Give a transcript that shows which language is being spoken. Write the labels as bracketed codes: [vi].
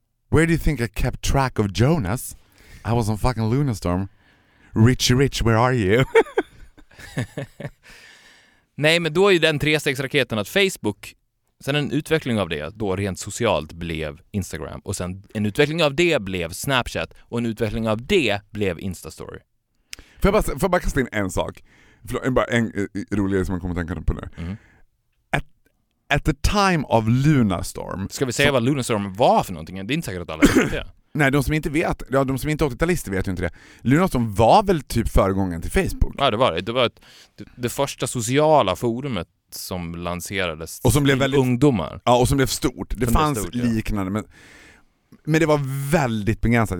[en] Where do you think I kept track of Jonas? I was on fucking Lunarstorm. Richie Rich, where are you? [sv] Nej, men då är ju den trestegsraketen att Facebook, sen en utveckling av det då rent socialt blev Instagram, och sen en utveckling av det blev Snapchat, och en utveckling av det blev Instastory. Får jag bara kasta in en sak? En roligare som man kommer att tänka på nu. Mm. [en] At the time of Lunarstorm. [sv] Ska vi säga vad Lunarstorm var för någonting? Det är inte säkert att alla vet det. Nej, de som inte vet, ja, de som inte åkte talister vet ju inte det. Lunarstorm var väl typ föregången till Facebook? Ja, det var det. Det var det första sociala forumet som lanserades, och som blev väldigt, ungdomar. Ja, och som blev stort. Det som fanns stort, liknande. Ja. Men det var väldigt begränsat.